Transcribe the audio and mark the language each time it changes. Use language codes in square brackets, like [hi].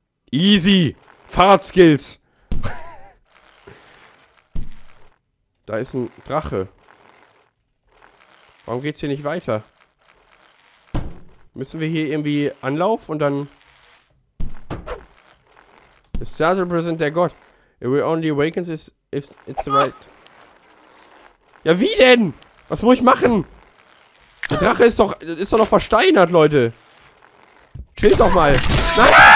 [de] Easy. Fahrradskills. Da ist ein Drache. Warum geht's hier nicht weiter? Müssen wir hier irgendwie Anlauf und dann... [en] The stars represent their god. It will only awaken if it's right. [de] Ja, wie denn? Was muss ich machen? Der Drache ist doch noch versteinert, Leute. Chill doch mal. Nein!